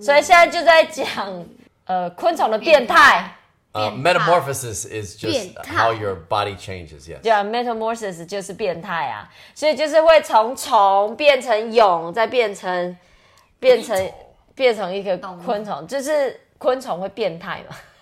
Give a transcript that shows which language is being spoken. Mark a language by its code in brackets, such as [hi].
[zh] 所以现在就在讲昆虫的变态。 [en] Metamorphosis is just how your body changes, yes. [zh] Yeah, metamorphosis 就是变态啊。所以就是会从虫变成蛹，再变成一个昆虫，就是昆虫会变态嘛。